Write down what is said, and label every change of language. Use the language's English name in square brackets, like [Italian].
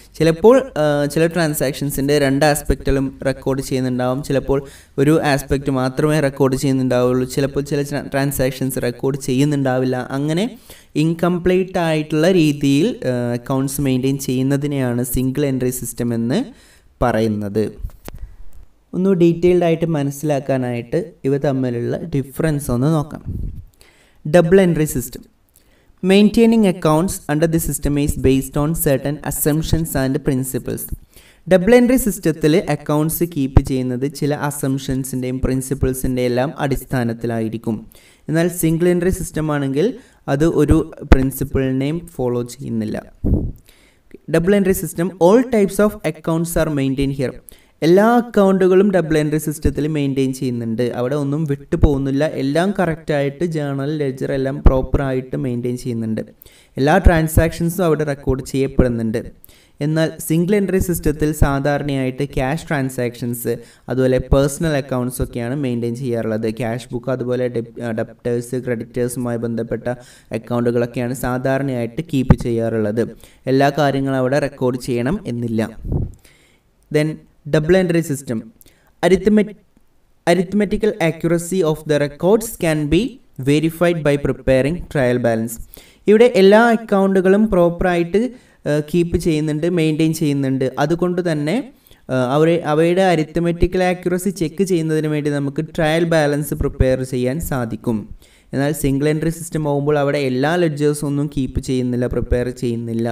[Malayalam] ചിലപ്പോൾ ചില ട്രാൻസാക്ഷൻസിൻ്റെ രണ്ട് ആസ്പെക്റ്റുകളും റെക്കോർഡ് ചെയ്യുന്നുണ്ടാവും, ചിലപ്പോൾ ഒരു ആസ്പെക്റ്റ് മാത്രമേ റെക്കോർഡ് ചെയ്യുന്നുണ്ടാവുള്ളൂ, ചിലപ്പോൾ ചില ട്രാൻസാക്ഷൻസ് റെക്കോർഡ് ചെയ്യുന്നുണ്ടാവില്ല. അങ്ങനെ ഇൻകംപ്ലീറ്റ് ആയിട്ടുള്ള രീതിയിൽ accounts maintain ചെയ്യുന്നതിനെയാണ് single entry system എന്ന് പറയുന്നത്. ഒന്ന് ഡീറ്റെയിൽഡ് ആയിട്ട് മനസ്സിലാക്കാനായിട്ട് ഇവ തമ്മിലുള്ള ഡിഫറൻസ് ഒന്ന് നോക്കാം. [English] Double entry system. Maintaining accounts under this system is based on certain assumptions and principles. [Malayalam] Double entry സിസ്റ്റത്തിൽ accounts keep ചെയ്യുന്നത് ചില അസംഷൻസിൻ്റെയും പ്രിൻസിപ്പിൾസിൻ്റെ എല്ലാം അടിസ്ഥാനത്തിലായിരിക്കും. എന്നാൽ സിംഗിൾ എൻട്രി സിസ്റ്റം ആണെങ്കിൽ അത് ഒരു പ്രിൻസിപ്പിളിനെയും ഫോളോ ചെയ്യുന്നില്ല. Double entry system. [English] All types of accounts are maintain here. [Malayalam] എല്ലാ അക്കൗണ്ടുകളും ഡബിൾ എൻട്രി സിസ്റ്റത്തിൽ മെയിൻറ്റെയിൻ ചെയ്യുന്നുണ്ട്, അവിടെ ഒന്നും വിട്ടു പോകുന്നില്ല. എല്ലാം കറക്റ്റായിട്ട് ജേണൽ, ലെജർ എല്ലാം പ്രോപ്പറായിട്ട് മെയിൻറ്റെയിൻ ചെയ്യുന്നുണ്ട്. എല്ലാ ട്രാൻസാക്ഷൻസും അവിടെ റെക്കോർഡ് ചെയ്യപ്പെടുന്നുണ്ട്. എന്നാൽ സിംഗിൾ എൻട്രി സിസ്റ്റത്തിൽ സാധാരണയായിട്ട് ക്യാഷ് ട്രാൻസാക്ഷൻസ് അതുപോലെ പേഴ്സണൽ അക്കൗണ്ട്സ് ഒക്കെയാണ് മെയിൻറ്റെയിൻ ചെയ്യാറുള്ളത്. ക്യാഷ് ബുക്ക്, അതുപോലെ ഡെബ്റ്റേഴ്സ് ക്രെഡിറ്റേഴ്സുമായി ബന്ധപ്പെട്ട അക്കൗണ്ടുകളൊക്കെയാണ് സാധാരണയായിട്ട് കീപ്പ് ചെയ്യാറുള്ളത്. എല്ലാ കാര്യങ്ങളും അവിടെ റെക്കോർഡ് ചെയ്യണം എന്നില്ല. Then double entry system. [English] arithmetical accuracy of the records can be verified by preparing trial balance. [Malayalam] ഇവിടെ എല്ലാ അക്കൗണ്ടുകളും പ്രോപ്പറായിട്ട് കീപ്പ് ചെയ്യുന്നുണ്ട്, മെയിൻറ്റെയിൻ ചെയ്യുന്നുണ്ട്. അതുകൊണ്ട് തന്നെ അവയുടെ അരിത്മെറ്റിക്കൽ ആക്യുറസി ചെക്ക് ചെയ്യുന്നതിന് വേണ്ടി നമുക്ക് ട്രയൽ ബാലൻസ് പ്രിപ്പയർ ചെയ്യാൻ സാധിക്കും. എന്നാൽ സിംഗിൾ എൻട്രി സിസ്റ്റം ആകുമ്പോൾ അവിടെ എല്ലാ ലെഡ്ജേഴ്സും ഒന്നും കീപ്പ് ചെയ്യുന്നില്ല, പ്രിപ്പയർ ചെയ്യുന്നില്ല.